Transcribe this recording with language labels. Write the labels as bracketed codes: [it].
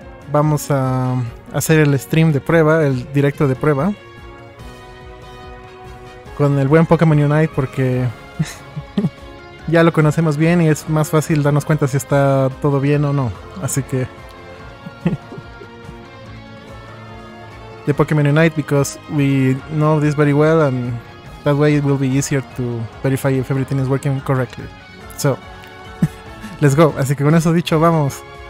[es] Vamos a hacer el stream de prueba, el directo de prueba. Con el buen Pokémon Unite porque ya lo conocemos bien y es más fácil darnos cuenta si está todo bien o no. Así que... [en] de Pokémon Unite because we know this very well and that way it will be easier to verify if everything is working correctly. So... let's go. [es] Así que con eso dicho, vamos.